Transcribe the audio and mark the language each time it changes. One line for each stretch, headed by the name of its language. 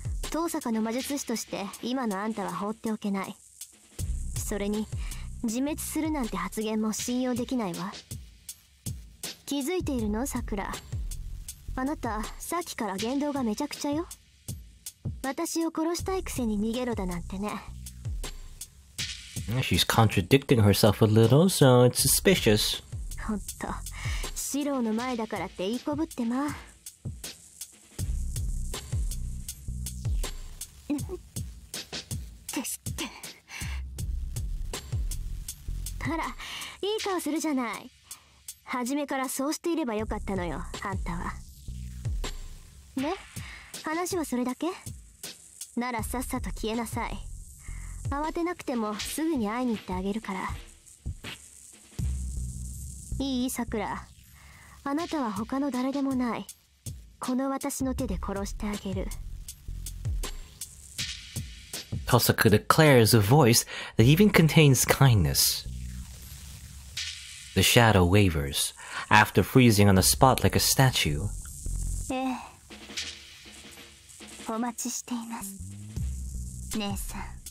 Japanese: 遠坂の魔術師として今のあんたは放っておけない。それに自滅するなんて発言も信用できないわ。気づいているの、さくら。あなたさっきから言動がめちゃくちゃよ。私を殺したいくせに逃げろだなんてね。
English: She's contradicting herself a little, so it's suspicious.
Japanese: ほんと、シロの前だからって言いこぶってま。ですって。あら、いい顔するじゃない。初めからそうしていればよかったのよ、あんたは。ね、話はそれだけ？ならさっさと消えなさい。慌てなくてもすぐに会いに行ってあげるから。いい、さくら。あなたは他の誰でもない。この私の手で殺してあげる。
English: Tosuka declares a voice that even contains kindness. The shadow wavers, after freezing on the spot like a statue.
Japanese: ええ。お待ちしています、姉さん。